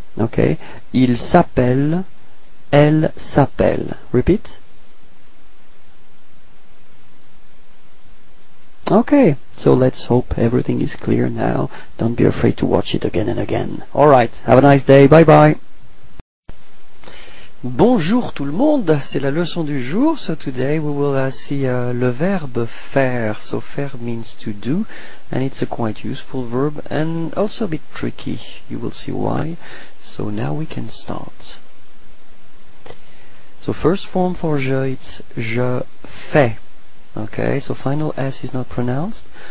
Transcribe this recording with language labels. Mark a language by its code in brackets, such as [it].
[fr] Okay, il s'appelle, elle s'appelle. [en] Repeat. Okay, so let's hope everything is clear now. Don't be afraid to watch it again and again. Alright, have a nice day, bye bye. [fr] Bonjour tout le monde, c'est la leçon du jour. [en] So today we will see [fr] le verbe faire. [en] So faire means to do, and it's a quite useful verb, and also a bit tricky. You will see why. So now we can start. So first form for je, it's [fr] je fais. [en] Okay, so final S is not pronounced.